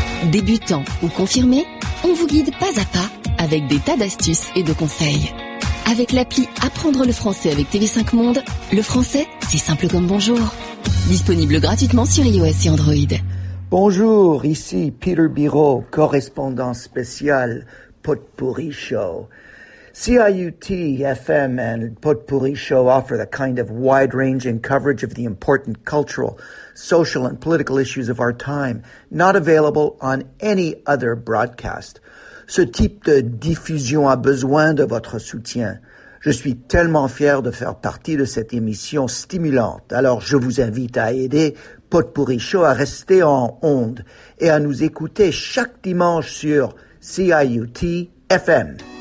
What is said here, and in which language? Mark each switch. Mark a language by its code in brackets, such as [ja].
[fr] Débutant ou confirmé, on vous guide pas à pas avec des tas d'astuces et de conseils. Avec l'appli Apprendre le français avec TV5 Monde, le français, c'est simple comme bonjour. Disponible gratuitement sur iOS et Android. Bonjour, ici Peter Biro, correspondant spécial Potpourri Show. [en] CIUT FM and Potpourri Show offer the kind of wide-ranging coverage of the important cultural, social, and political issues of our time, not available on any other broadcast. [fr] Ce type de diffusion a besoin de votre soutien. Je suis tellement fier de faire partie de cette émission stimulante. Alors, je vous invite à aider Potpourri Show à rester en onde et à nous écouter chaque dimanche sur CIUT FM.